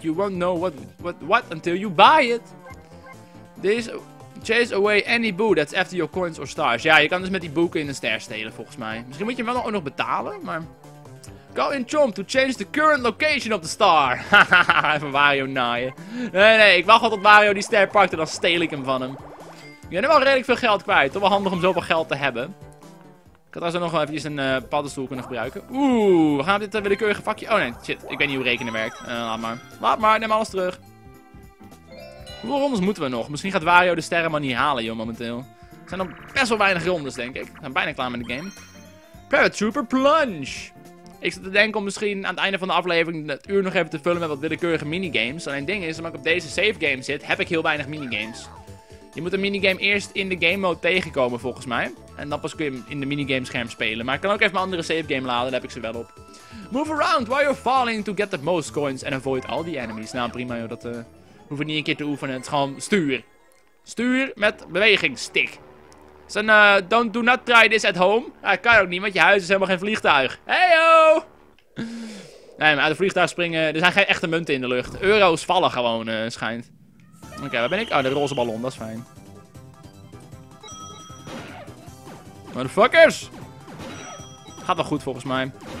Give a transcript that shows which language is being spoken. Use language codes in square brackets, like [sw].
[en] You won't know what until you buy it. These chase away any boo that's after your coins or stars. [nl] Ja, je kan dus met die boeken in een ster stelen volgens mij. Misschien moet je hem wel ook nog betalen, maar... [en] Go in Chomp to change the current location of the star. [nl] Hahaha, even Wario naaien. Nee, ik wacht wel tot Wario die ster pakt en dan steel ik hem van hem. Je bent wel redelijk veel geld kwijt. Toch wel handig om zoveel geld te hebben. Ik had trouwens nog wel even een paddenstoel kunnen gebruiken. Oeh, we gaan op dit willekeurige vakje. Oh nee, shit. Ik weet niet hoe rekenen werkt. Laat maar. Neem alles terug. Hoeveel rondes moeten we nog? Misschien gaat Wario de sterren maar niet halen, joh, momenteel. Er zijn nog best wel weinig rondes, denk ik. We zijn bijna klaar met de game. Paratrooper Plunge. Ik zat te denken om misschien aan het einde van de aflevering het uur nog even te vullen met wat willekeurige minigames. Alleen het ding is, omdat ik op deze save game zit, heb ik heel weinig minigames. Je moet een minigame eerst in de game mode tegenkomen, volgens mij. En dan pas kun je hem in de minigame scherm spelen. Maar ik kan ook even mijn andere save game laden, daar heb ik ze wel op. [en] Move around while you're falling to get the most coins and avoid all the enemies. [nl] Nou prima joh, dat hoef ik niet een keer te oefenen. Het is gewoon stuur. Stuur met beweging, stick. Dus [en] don't do not try this at home. [nl] Dat kan ook niet, want je huis is helemaal geen vliegtuig. Heyo! Nee, maar uit het vliegtuig springen... Er zijn geen echte munten in de lucht. Euro's vallen gewoon, schijnt. Oké, waar ben ik? Oh, de roze ballon, dat is fijn. Motherfuckers! Gaat wel goed, volgens mij.